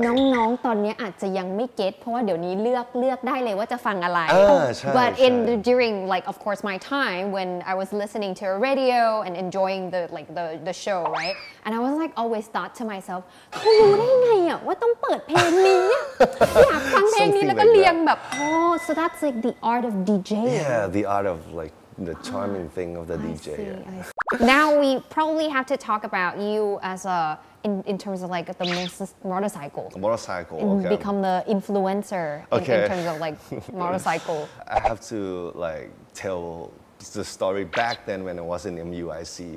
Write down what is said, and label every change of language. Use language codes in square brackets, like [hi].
[th] น้องๆตอนนี้อาจจะยังไม่เก็ตเพราะว่าเดี๋ยวนี้เลือกได้เลยว่าจะฟังอะไร [en] But in during, like, of course, my time when I was listening to a radio and enjoying the show, right? And I was like, always thought to myself, [th] เขารู้ได้ไงอ่ะว่าต้องเปิดเพลงนี้อยากฟังเพลงนี้แล้วก็เรียงแบบ [en] Oh, so that's like the art of DJ. Yeah, the art of, like... The charming thing of the DJ. Now we probably have to talk about you as a in terms of like the motorcycle. Motorcycle. Become the influencer in terms of like motorcycle. I have to like tell the story back then when I was in MUIC.